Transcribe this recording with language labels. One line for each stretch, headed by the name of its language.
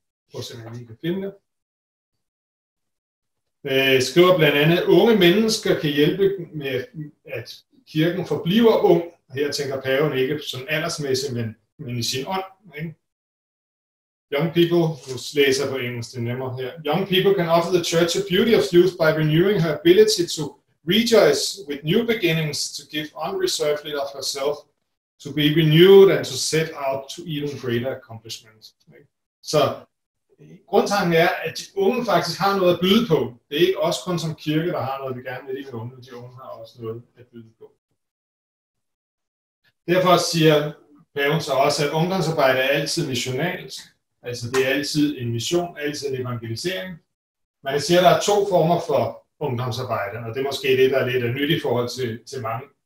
Danish: Prøv at se, om jeg lige kan finde det. Skriver blandt andet, at unge mennesker kan hjælpe med, at kirken forbliver ung. Her tænker paven ikke sådan aldersmæssigt, men i sin ånd. Ikke?
English: Young people,
Danish: nu læser jeg på engelsk, det er nemmere her.
English: Young people can offer the church a beauty of youth by renewing her ability to rejoice with new beginnings, to give unreservedly of herself, to be renewed and to set out to even greater accomplishments.
Danish: Så grundtanken er, at de unge faktisk har noget at byde på. Det er ikke os kun som kirke, der har noget, vi gerne vil i de unge. De unge har også noget at byde på. Derfor siger paven så også, at ungdomsarbejde er altid missionalt. Altså det er altid en mission, altid en evangelisering. Man siger, at der er to former for ungdomsarbejde, og det er måske det, der er lidt nyt i forhold til mange